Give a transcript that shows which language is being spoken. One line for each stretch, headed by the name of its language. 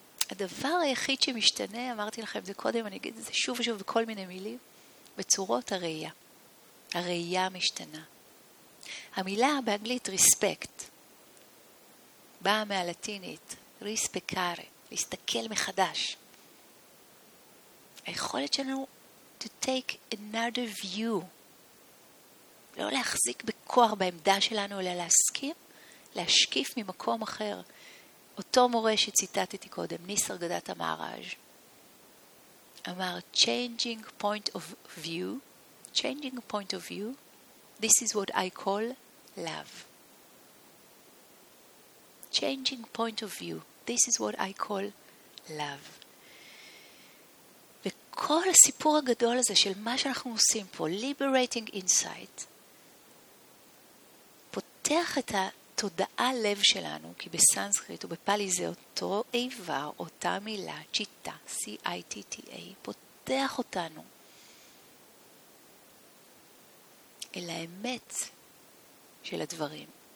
Hebrew: הדבר היחיד שמשתנה, אמרתי לכם זה קודם, אני אגיד את זה שוב ושוב בכל מיני מילים, בצורות הראייה. הראייה משתנה. המילה באנגלית respect, באה מהלטינית, respectare, להסתכל מחדש. היכולת שלנו
English: to take another view.
Hebrew: לא להחזיק בכוח בעמדה שלנו, אלא להסכים, להשקיף ממקום אחר. אותו מורה שציטטתי קודם, ניסרגדת המהר"ש, אמר,
English: changing point of view, changing point of view, this is what I call love. Changing point of view, this is what I call love.
Hebrew: וכל הסיפור הגדול הזה של מה שאנחנו עושים פה,
English: liberating insight,
Hebrew: פותח את התודעה לב שלנו, כי בסנסקריט ובפאלי זה אותו איבר, אותה מילה, צ'יטה, C-I-T-T-A, פותח אותנו אל האמת של הדברים.